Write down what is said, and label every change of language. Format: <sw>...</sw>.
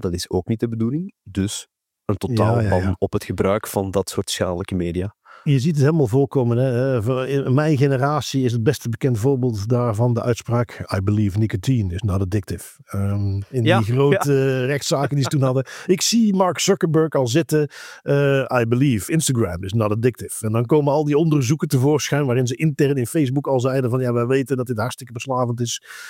<nl>Dat is ook niet de bedoeling. Dus een totaal ban op het gebruik van dat soort schadelijke media. Je ziet het helemaal voorkomen. Hè? Mijn generatie is het beste bekend voorbeeld daarvan de uitspraak</nl> <en>I believe nicotine is not addictive.</en> <nl>In die grote rechtszaken die ze toen hadden. Ik zie Mark Zuckerberg al zitten.</nl> <en>I believe Instagram is not addictive.</en> <nl>En dan komen al die onderzoeken tevoorschijn waarin ze intern in Facebook al zeiden van ja, wij weten dat dit hartstikke beslavend is.</nl>